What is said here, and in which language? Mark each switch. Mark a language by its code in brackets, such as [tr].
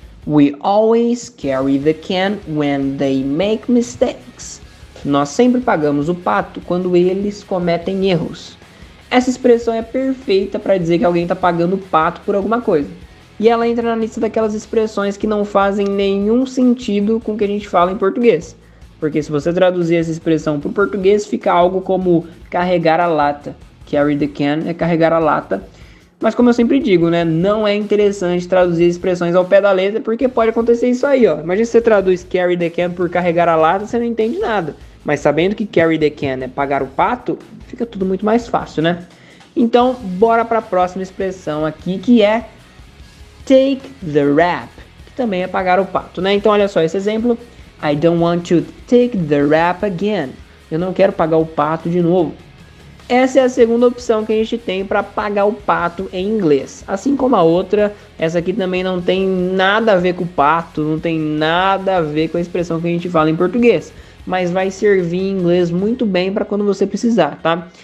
[en] We always carry the can when they make mistakes. [pt] Nós sempre pagamos o pato quando eles cometem erros. Essa expressão é perfeita para dizer que alguém está pagando o pato por alguma coisa. E ela entra na lista daquelas expressões que não fazem nenhum sentido com o que a gente fala em português. Porque se você traduzir essa expressão para o português, fica algo como carregar a lata. [en] Carry the can [pt] é carregar a lata. Mas como eu sempre digo, né, não é interessante traduzir expressões ao pé da letra, porque pode acontecer isso aí, ó. Imagina se você traduz [en] carry the can [pt] por carregar a lata, você não entende nada. Mas sabendo que [en] carry the can [pt] é pagar o pato, fica tudo muito mais fácil, né? Então, bora para a próxima expressão aqui, que é [en] take the rap, [pt] que também é pagar o pato, né? Então, olha só esse exemplo. [en] I don't want to take the rap again. [pt] Eu não quero pagar o pato de novo. Essa é a segunda opção que a gente tem para pagar o pato em inglês. Assim como a outra, essa aqui também não tem nada a ver com o pato, não tem nada a ver com a expressão que a gente fala em português. Mas vai servir em inglês muito bem para quando você precisar, tá?